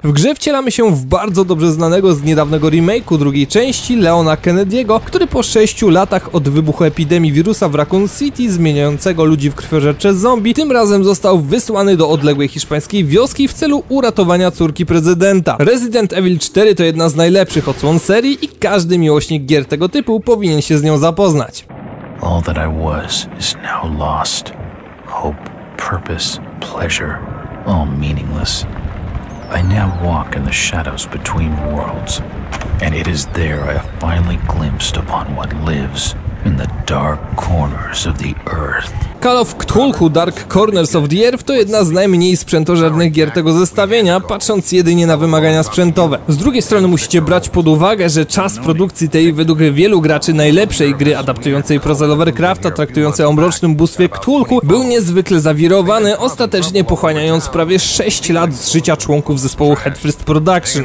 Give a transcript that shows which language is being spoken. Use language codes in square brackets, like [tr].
[pl] W grze wcielamy się w bardzo dobrze znanego z niedawnego remake'u drugiej części Leona Kennedy'ego, który po 6 latach od wybuchu epidemii wirusa w Raccoon City, zmieniającego ludzi w krwiożercze zombie, tym razem został wysłany do odległej hiszpańskiej wioski w celu uratowania córki prezydenta. Resident Evil 4 to jedna z najlepszych odsłon serii i każdy miłośnik gier tego typu powinien się z nią zapoznać. [en] All that I was is now lost. Hope, purpose, pleasure, all meaningless. I now walk in the shadows between worlds. And it is there I have finally glimpsed upon what lives in the dark corners of the earth. [pl] Call of Cthulhu Dark Corners of the Earth to jedna z najmniej sprzętożernych gier tego zestawienia, patrząc jedynie na wymagania sprzętowe. Z drugiej strony musicie brać pod uwagę, że czas produkcji tej według wielu graczy najlepszej gry adaptującej prozę Lovecrafta, traktującej o mrocznym bóstwie Cthulhu, był niezwykle zawirowany, ostatecznie pochłaniając prawie 6 lat z życia członków zespołu Headfirst Production.